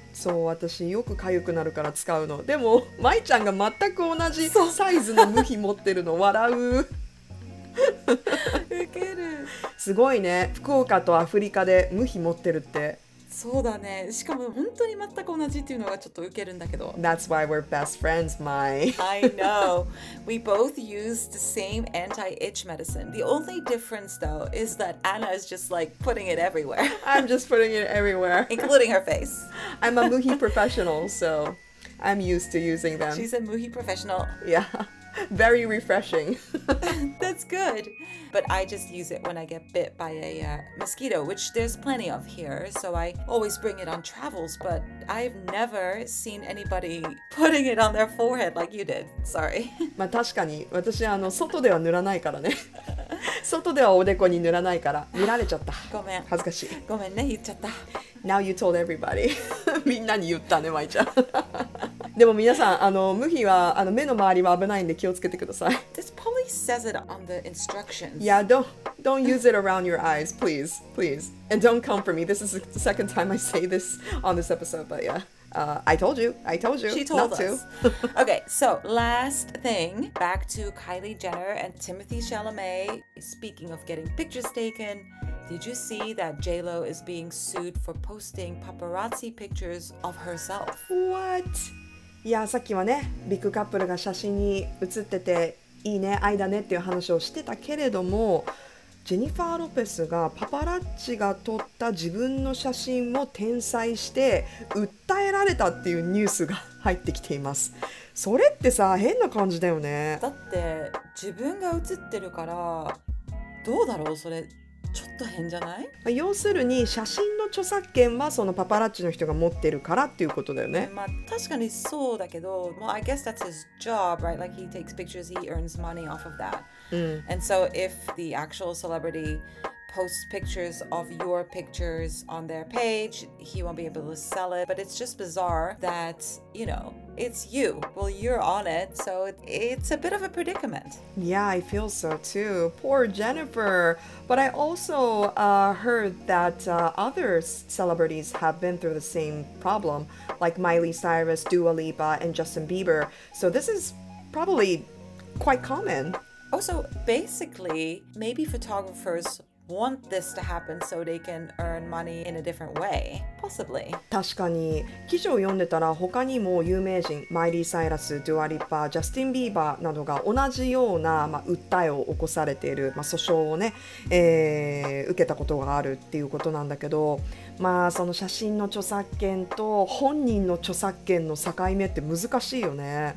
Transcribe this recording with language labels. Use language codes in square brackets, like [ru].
[ja] そう、私よくかゆくなるから使うの。でもまいちゃんが全く同じサイズの無比持ってるの笑う受けるすごいね、福岡とアフリカで無比持ってるって。そうだね、しかも本当に全く同じっていうのがちょっと受けるんだけど。 [en] That's why we're best friends, Mai. I know. We both use the same anti-itch medicine. The only difference though is that Anna is just like putting it everywhere. I'm just putting it everywhere. Including her face. I'm a muhi professional, so I'm used to using them. She's a muhi professional. Yeah. Very refreshing. That's good. But I just use it when I get bit by a、mosquito, which there's plenty of here. So I always bring it on travels. But I've never seen anybody putting it on their forehead like you did. Sorry. [ja] まあ確かに私あの外では塗らないからね。外ではおでこに塗らないから見られちゃった。ごめん。恥ずかしい。ごめんね、言っちゃった。 [en] Now you told everybody. [ja] みんなに言ったね、まいちゃん。でも皆さん、あの無比はあの目の周りは危ないんで気をつけてください。 [en] This probably says it on the instructions. Yeah, don't use it around your eyes, please, please. And don't come for me. This is the second time I say this on this episode, but yeah. I told you. She told us. Okay, so last thing. Back to Kylie Jenner and Timothy Chalamet. Speaking of getting pictures taken, did you see that J-Lo is being sued for posting paparazzi pictures of herself? What? [ja] いや、さっきはね、ビッグカップルが写真に写ってていいね、愛だねっていう話をしてたけれども、ジェニファー・ロペスがパパラッチが撮った自分の写真を転載して訴えられたっていうニュースが入ってきています。それってさ、変な感じだよね。だって自分が写ってるからどうだろう、それちょっと変じゃない。要するに写真の著作権はそのパパラッチの人が持ってるからっていうことだよね。まあ確かにそうだけど、まあ、 [en] I guess that's his job, right? Like he takes pictures, he earns money off of that、 [ja] うん、 [en] And so if the actual celebrity posts pictures of your pictures on their page, he won't be able to sell it. But it's just bizarre that, you know, it's you. Well, you're on it, so it's a bit of a predicament. Yeah, I feel so too. Poor Jennifer. But I also、heard that、other celebrities have been through the same problem, like Miley Cyrus, Dua Lipa, and Justin Bieber. So this is probably quite common. Also, basically, maybe photographers... want this to happen so they can earn money in a different way, possibly. [ja] 確かに記事を読んでたら他にも有名人マイリー・サイラス、ドゥア・リッパー、ジャスティン・ビーバーなどが同じような、まあ、訴えを起こされている、まあ、訴訟をね、受けたことがあるっていうことなんだけど、まあその写真の著作権と本人の著作権の境目って難しいよね。